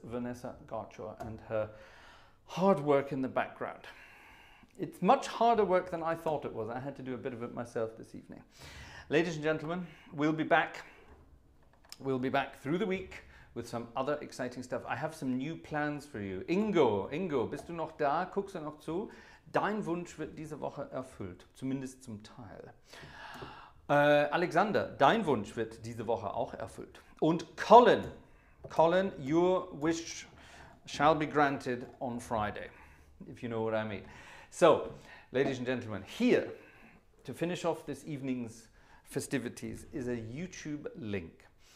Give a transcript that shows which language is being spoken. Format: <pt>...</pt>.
<en>Vanessa Gartshore and her hard work in the background. It's much harder work than I thought it was. I had to do a bit of it myself this evening. Ladies and gentlemen, we'll be back. We'll be back through the week with some other exciting stuff. I have some new plans for you. Ingo,</en> <de>bist du noch da? Guckst du noch zu? Dein Wunsch wird diese Woche erfüllt, zumindest zum Teil. Alexander, dein Wunsch wird diese Woche auch erfüllt.</de> <en>Und Colin, your wish shall be granted on Friday, if you know what I mean. So, ladies and gentlemen, here to finish off this evening's festivities is a YouTube link.</en>